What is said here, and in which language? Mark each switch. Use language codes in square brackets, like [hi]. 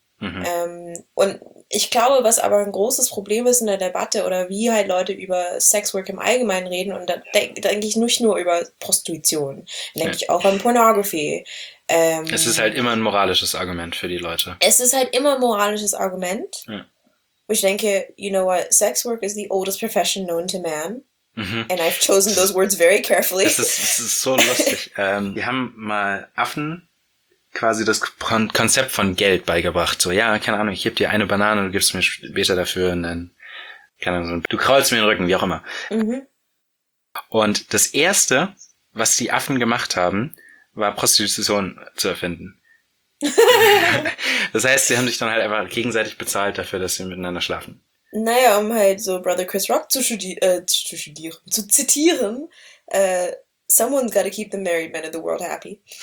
[de] Und ich glaube, was aber ein großes Problem ist in der Debatte oder wie halt Leute über Sexwork im Allgemeinen reden, und denke ich nicht nur über Prostitution, denke ich auch an Pornography. Es ist halt immer ein moralisches Argument für die Leute. Es ist halt immer ein moralisches Argument. Ich denke, [en] you know what, Sexwork is the oldest profession known to man. And I've chosen those words very carefully. [de] Es ist so lustig. Die haben mal Affen quasi das Konzept von Geld beigebracht. So, ja, keine Ahnung, ich gebe dir eine Banane, du gibst mir später dafür und dann, keine Ahnung, du kraulst mir den Rücken, wie auch immer. Und das Erste, was die Affen gemacht haben, war Prostitution zu erfinden. Das heißt, sie haben sich dann halt einfach gegenseitig bezahlt dafür, dass sie miteinander schlafen. Naja, um halt so Brother Chris Rock zu studieren, zu zitieren, [en] someone's gotta keep the married men in the world happy.